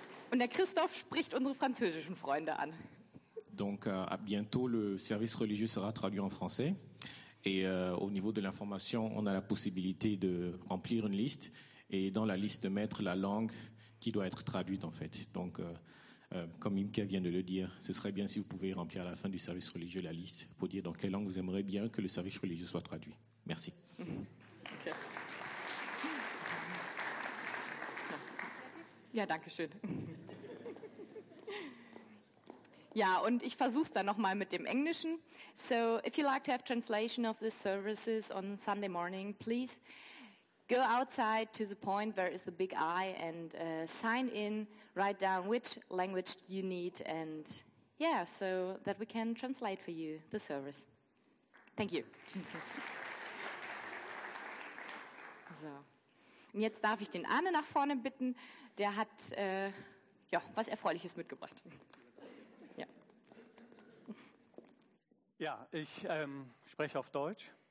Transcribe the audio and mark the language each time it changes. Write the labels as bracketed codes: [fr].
[de] Und der Christoph spricht unsere französischen Freunde an. [fr] Donc à bientôt le service religieux sera traduit en français et au niveau de l'information on a la possibilité de remplir une liste et dans la liste mettre la langue qui doit être traduite en fait. Donc comme Imke vient de le dire, ce serait bien si vous pouvez remplir à la fin du service religieux la liste pour dire dans quelle langue vous aimeriez bien que le service religieux soit traduit. Merci. [de] Ja, danke schön. Ja, und ich versuche es dann nochmal mit dem Englischen. [en] So, if you like to have translation of the services on Sunday morning, please go outside to the point where is the big eye and sign in, write down which language you need and yeah, so that we can translate for you the service. Thank you. [de] So, und jetzt darf ich den Arne nach vorne bitten. Der hat ja was Erfreuliches mitgebracht. Ja, ich spreche auf Deutsch.